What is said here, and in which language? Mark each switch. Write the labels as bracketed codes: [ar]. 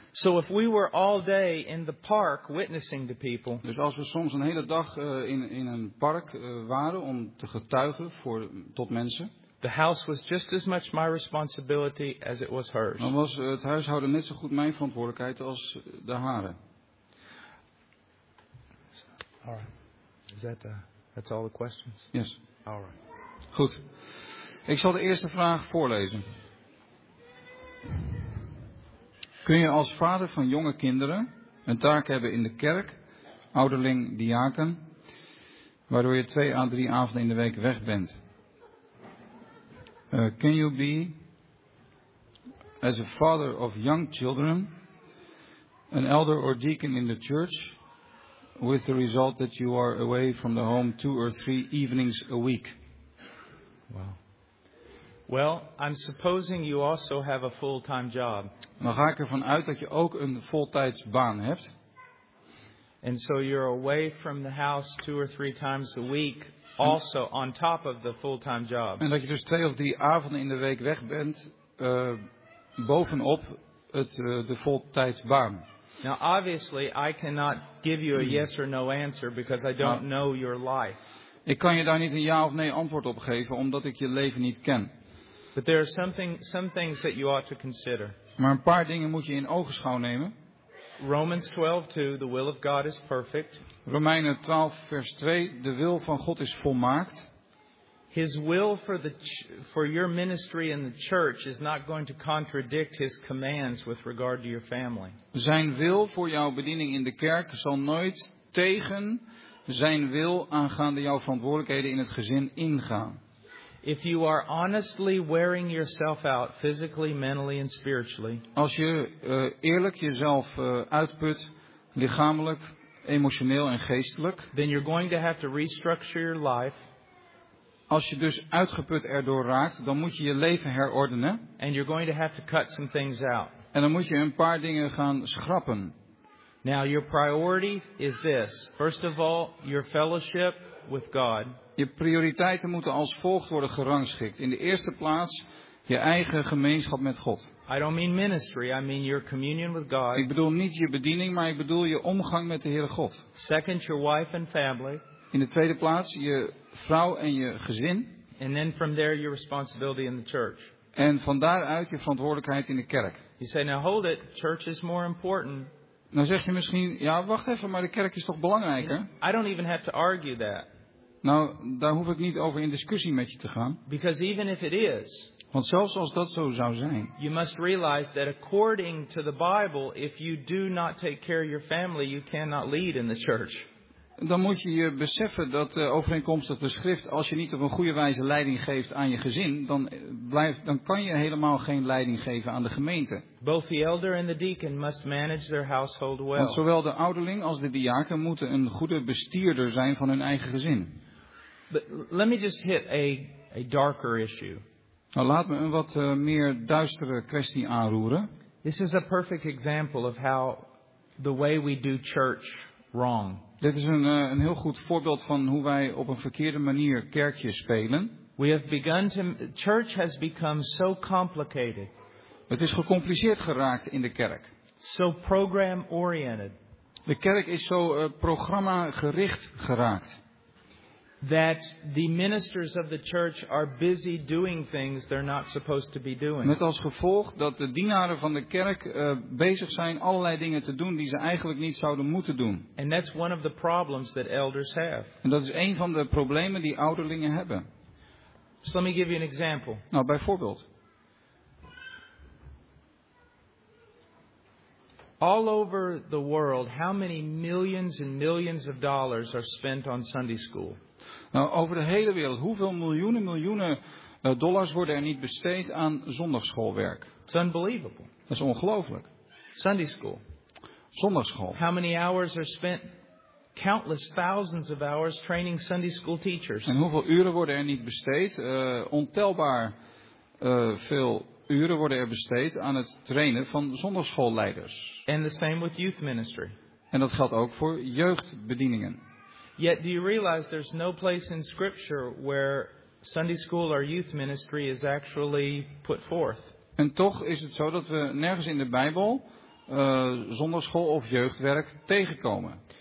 [en] So if we were all day in the park witnessing to people. [nl] Dus als we soms een hele dag in een park waren om te getuigen tot mensen. [en] The house was just as much my responsibility as it was hers. [nl] Dan was het huishouden net zo goed mijn verantwoordelijkheid als de hare. [en] All right. Is that that's all the questions? Yes. All right. [nl] Goed. Ik zal de eerste vraag voorlezen. Kun je als vader van jonge kinderen een taak hebben in de kerk, ouderling, diaken, waardoor je 2 à 3 avonden in de week weg bent? [en] Can you be, as a father of young children, an elder or deacon in the church, with the result that you are away from the home 2 or 3 evenings a week? Wow. Well, I'm supposing you also have a full-time job. [nl] Dan ga ik ervan uit dat je ook een voltijdsbaan hebt. [en] And so you're away from the house 2 or 3 times a week. Also on top of the full-time job. [nl] En dat je dus 2 of 3 avonden in de week weg bent, bovenop de voltijdsbaan. [en] Now obviously I cannot give you a yes or no answer because I don't know your life. [nl] Ik kan je daar niet een ja of nee antwoord op geven omdat ik je leven niet ken. [en] But there are some things that you ought to consider. [nl] Maar een paar dingen moet je in ogenschouw nemen. [en] Romans 12:2, the will of God is perfect. [nl] Romeinen 12 vers 2, de wil van God is volmaakt. [en] His will for your ministry in the church is not going to contradict his commands with regard to your family. [nl] Zijn wil voor jouw bediening in de kerk zal nooit tegen zijn wil aangaande jouw verantwoordelijkheden in het gezin ingaan. [en] If you are honestly wearing yourself out physically, mentally and spiritually. [nl] Als je eerlijk jezelf uitput lichamelijk, emotioneel en geestelijk. [en] Then you're going to have to restructure your life. [nl] Als je dus uitgeput erdoor raakt, dan moet je je leven herordenen. [en] And you're going to have to cut some things out. [nl] En dan moet je een paar dingen gaan schrappen. [en] Now your priority is this. First of all, your fellowship with God. [nl] Je prioriteiten moeten als volgt worden gerangschikt. In de eerste plaats je eigen gemeenschap met God. [en] I don't mean ministry, I mean your communion with God. [nl] Ik bedoel niet je bediening, maar ik bedoel je omgang met de Heere God. [en] Second, your wife and family. [nl] In de tweede plaats je vrouw en je gezin. [en] And then from there your responsibility in the church. [nl] En van daaruit je verantwoordelijkheid in de kerk. [en] You say, now hold it, church is more important. [nl] Dan zeg je misschien, ja, wacht even, maar de kerk is toch belangrijker? [en] I don't even have to argue that. [nl] Nou, daar hoef ik niet over in discussie met je te gaan. [en] Because even if it is. [nl] Want zelfs als dat zo zou zijn. [en] You must realize that according to the Bible, if you do not take care of your family, you cannot lead in the church. [nl] Dan moet je je beseffen dat overeenkomstig de schrift, als je niet op een goede wijze leiding geeft aan je gezin, dan kan je helemaal geen leiding geven aan de gemeente. [en] Both the elder and the deacon must manage their household well. [nl] Want zowel de ouderling als de diaken moeten een goede bestierder zijn van hun eigen gezin. [en] But let me just hit a darker issue. [nl] Nou, laat me een wat meer duistere kwestie aanroeren. [en] This is a perfect example of how the way we do church wrong. [nl] Dit is een heel goed voorbeeld van hoe wij op een verkeerde manier kerkje spelen. [en] We have begun to, church has become so complicated. [nl] Het is gecompliceerd geraakt in de kerk. [en] So program oriented. [nl] De kerk is zo programma gericht geraakt. [en] That the ministers of the church are busy doing things they're not supposed to be doing. [nl] Met als gevolg dat de dienaren van de kerk bezig zijn allerlei dingen te doen die ze eigenlijk niet zouden moeten doen. [en] And that's one of the problems that elders have. [nl] En dat is een van de problemen die ouderlingen hebben. [en] So let me give you an example. [nl] Nou, bijvoorbeeld. [en] All over the world, how many millions and millions of dollars are spent on Sunday school? [nl] Nou, over de hele wereld, hoeveel miljoenen, dollars worden er niet besteed aan zondagsschoolwerk? [en] It's unbelievable. [nl] Dat is ongelooflijk. [en] Sunday school. [nl] Zondagsschool. [en] How many hours are spent, countless thousands of hours training Sunday school teachers? [nl] En hoeveel uren worden er niet besteed? Ontelbaar veel uren worden er besteed aan het trainen van zondagsschoolleiders. [en] And the same with youth ministry. [nl] En dat geldt ook voor jeugdbedieningen. [en] Yet do you realize there's no place in scripture where Sunday school or youth ministry is actually put forth. [nl] En toch is het zo dat we nergens in de Bijbel zondagsschool of jeugdwerk tegenkomen.